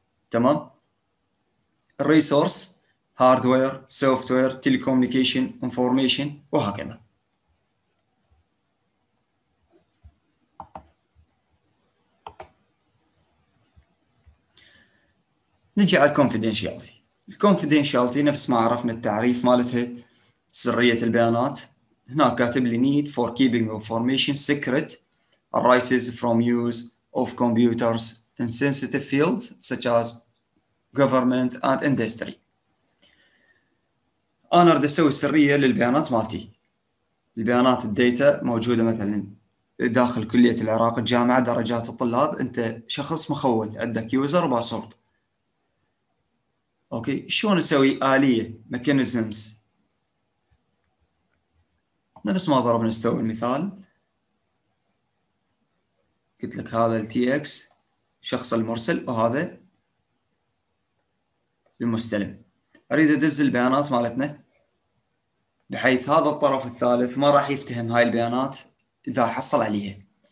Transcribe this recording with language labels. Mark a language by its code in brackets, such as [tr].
[ar] تمام، الريسورس هاردوير سوفتوير تيليكومنيكيشن انفورميشن وهكذا. نجي على الكونفيدنشالتي. الكونفيدنشالتي نفس ما عرفنا التعريف مالتها سرية البيانات، هنا كاتب لي [en] need for keeping information secret arises from use of computers in sensitive fields such as government and industry. [ar] أنا أريد أسوي سرية للبيانات مالتي، البيانات الداتا موجودة مثلا داخل كلية العراق الجامعة درجات الطلاب، أنت شخص مخول عندك يوزر وباسورد. أوكي، شلون أسوي آلية mechanisms؟ نفس ما ضربنا استوى المثال، قلت لك هذا الـ TX شخص المرسل وهذا المستلم، أريد أدز البيانات مالتنا بحيث هذا الطرف الثالث ما راح يفتهم هاي البيانات إذا حصل عليها.